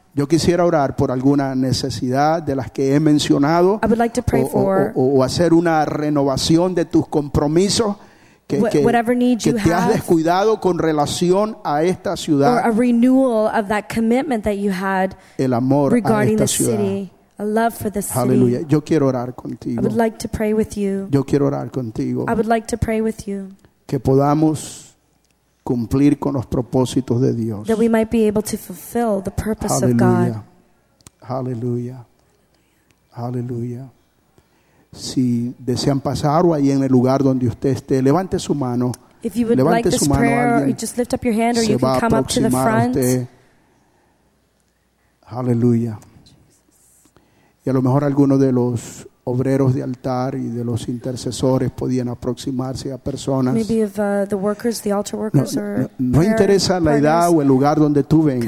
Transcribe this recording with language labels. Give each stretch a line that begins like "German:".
Spanish: Yo quisiera orar por alguna necesidad de las que he mencionado.
English: I would like to pray for,
Spanish: o hacer una renovación de tus compromisos
English: whatever need you
Spanish: que te has descuidado con relación a esta ciudad.
English: Or a renewal of that commitment that you had
Spanish: el amor
English: regarding
Spanish: a esta ciudad.
English: The city, a love for the city.
Spanish: Aleluya. Yo quiero orar contigo.
English: I would like to pray with you.
Spanish: Yo quiero orar contigo.
English: I would like to pray with you.
Spanish: Que podamos cumplir con los propósitos de Dios.
English: That we might be able to fulfill the purpose Hallelujah. Of God. Hallelujah. Hallelujah.
Spanish: Si desean pasar o ahí en el lugar donde usted esté, levante su mano.
English: If you would
Spanish: levante
English: like this prayer, or you just lift up your hand, or you can come up to the front. Hallelujah.
Spanish: Y a lo mejor alguno de los obreros de altar y de los intercesores podían aproximarse a personas.
English: Maybe if the workers, the altar workers,
Spanish: no, no interesa la edad o el lugar donde tú vengas.